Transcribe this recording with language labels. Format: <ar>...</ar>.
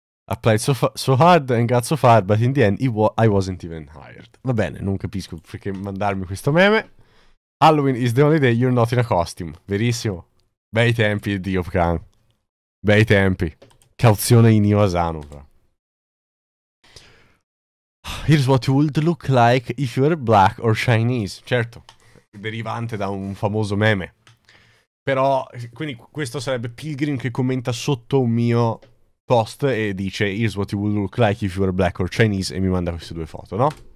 <en>Applied so hard and got so far, but in the end I wasn't even hired.</en> <it>Va bene, non capisco perché mandarmi questo meme.</it> <en>Halloween is the only day you're not in a costume.</en> <it>Verissimo. Bei tempi di Opcan. Bei tempi. Cauzione in Iwasano.</it> <en>Here's what you would look like if you were black or Chinese.</en> <it>Certo, derivante da un famoso meme. Però, quindi questo sarebbe Pilgrim che commenta sotto un mio post e dice</it> <en>here's what you would look like if you were black or Chinese</en> <it>e mi manda queste due foto, no?</it>